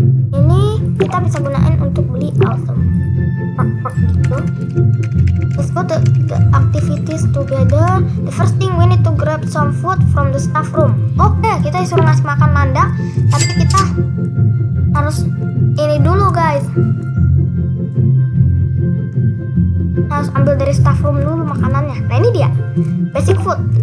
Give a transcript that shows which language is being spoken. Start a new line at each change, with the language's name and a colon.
Indonesian: Ini kita bisa gunain untuk beli item perk gitu.
English: Let's go to the activities together. The first thing we need to grab some food from the staff room.
Indonesian: Oke, kita disuruh ngasih makan landak, tapi kita harus ini dulu guys. Kita harus ambil dari staff room dulu makanannya. Nah ini dia basic food.